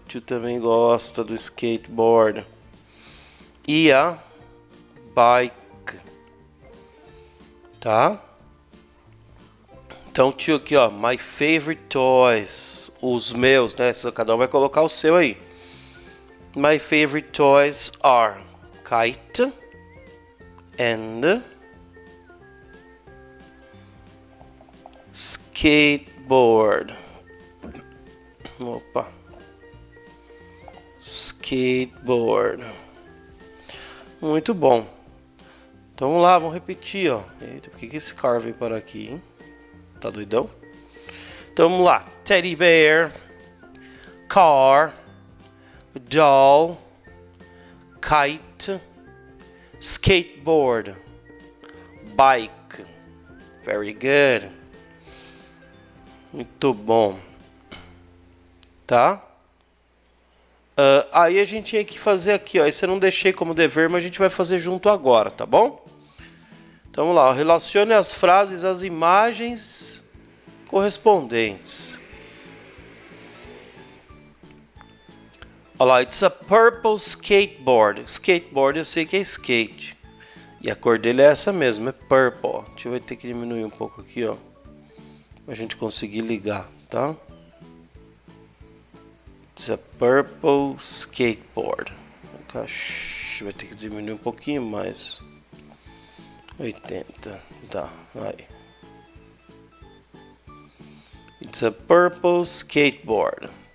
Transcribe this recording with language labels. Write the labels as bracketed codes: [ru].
[pt] Tio também gosta do skateboard. E a Bike. Tá? Então, tio, aqui, ó, [en] my favorite toys, [pt] os meus, né, cada um vai colocar o seu aí. [en] My favorite toys are kite and skateboard. [pt] Opa. Skateboard. Muito bom. Então, vamos lá, vamos repetir, ó. Eita, por que que esse car veio para aqui, hein? Tá doidão? Então vamos lá. [en] Teddy bear, car, doll, kite, skateboard, bike. Very good. [pt] Muito bom. Tá? Aí a gente tinha que fazer aqui, ó. Isso eu não deixei como dever, mas a gente vai fazer junto agora, tá bom? Então vamos lá. Relacione as frases às imagens correspondentes. Olha lá, [en] it's a purple skateboard. [pt] Skateboard eu sei que é skate. E a cor dele é essa mesmo, é purple. Ó. A gente vai ter que diminuir um pouco aqui, ó. Pra gente conseguir ligar, tá? [en] It's a purple skateboard. [pt] Vai ter que diminuir um pouquinho mais. 80, tá, aí. [en] It's a purple skateboard.